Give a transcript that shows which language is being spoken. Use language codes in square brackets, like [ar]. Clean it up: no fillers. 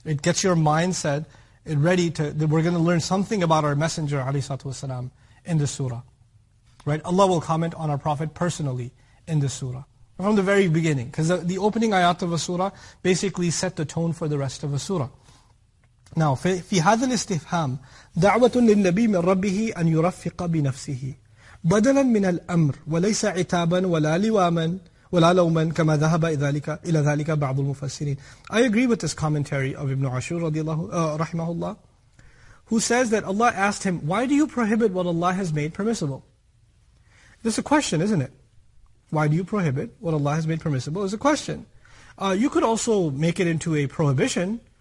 [en] It gets your mindset ready that we're going to learn something about our Messenger ﷺ in this surah. Right? Allah will comment on our Prophet personally in this surah. From the very beginning. Because the opening ayat of a surah basically set the tone for the rest of a surah. Now, [ar] في هذا الاستفهام دعوة للنبي من ربه أن يرفق بنفسه بدلا من الأمر وليس عتابا ولا لواما ولا لوما كما ذهب إلى ذلك بعض المفسرين. [en] I agree with this commentary of Ibn Ashur رحمه الله, who says that Allah asked him, why do you prohibit what Allah has made permissible? This is a question, isn't it? Why do you prohibit what Allah has made permissible is a question. You could also make it into a prohibition.